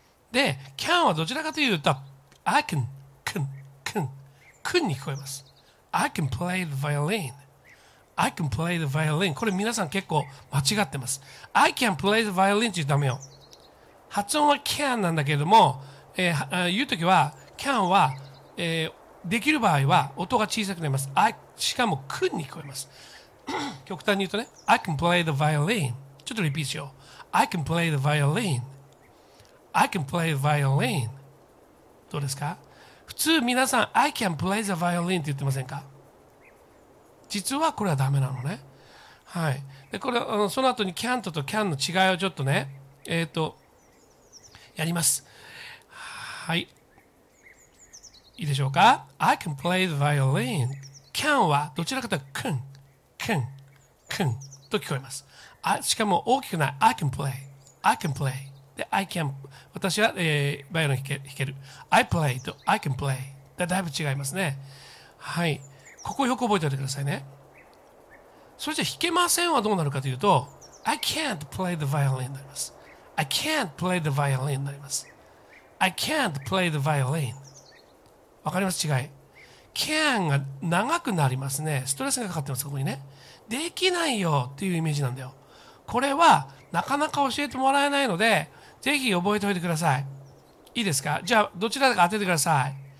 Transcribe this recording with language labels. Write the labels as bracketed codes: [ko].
[ja] で、can はどちらかというと、 [en] I can, can, can, can [ja] に聞こえます。 [en] I can play the violin. I can play the violin. [ja] これ皆さん結構間違ってます。 [en] I can play the violin [ja] って言うとダメよ。発音は can なんだけども、言うときは can は、できる場合は音が小さくなります。しかも could に聞こえます。極端に言うとね、 [en] I can play the violin. [ja] ちょっとリピートしよう。 [en] I can play the violin. I can play the violin. [ja] どうですか？普通皆さん [en] I can play the violin [ja] って言ってませんか？実はこれはダメなのね。はい。で、これ、その後に can とと can の違いをちょっとね、やります。はい。いいでしょうか。 [en] I can play the violin. [ja] Can はどちらかというとくん、くん、くんと聞こえます。あ、しかも大きくない。 [en] I can play. I can play. [ja] で、 [en] I can、 [ja] 私は、バイオリン弾ける。 [en] I play [ja] と [en] I can play [ja] だ、 だいぶ違いますね。はい、ここよく覚えておいてくださいね。それじゃ弾けませんはどうなるかというと、 [en] I can't play the violin [ja] になります。 [en] I can't play the violin [ja] になります。 [en] I can't play the violin。 [ja] わかります？違い。 can が長くなりますね。ストレスがかかってます、ここにね。できないよっていうイメージなんだよ。これはなかなか教えてもらえないので、ぜひ覚えておいてください。いいですか？じゃあ、どちらか当ててください。